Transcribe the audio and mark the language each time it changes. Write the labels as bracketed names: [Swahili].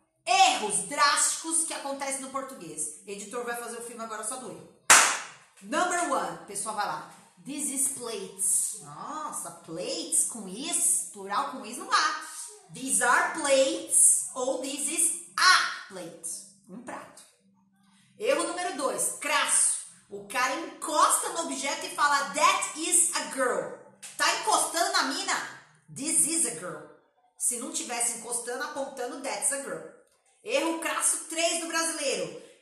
[Portuguese] erros drásticos que acontecem no português. Editor vai fazer o filme agora só do erro. [English] Number one, [Portuguese] pessoal, vai lá. [English] This is plates. [Portuguese] Nossa, plates com is, plural com is, não há. [English] These are plates ou this is a plate. [Portuguese] Um prato. Erro número dois, crasso. O cara encosta no objeto e fala [English] that is a girl. [Portuguese] Tá encostando na mina? [English] This is a girl. [Portuguese] Se não tivesse encostando, apontando, [English] that's a girl. [Portuguese] Erro crasso 3 do brasileiro.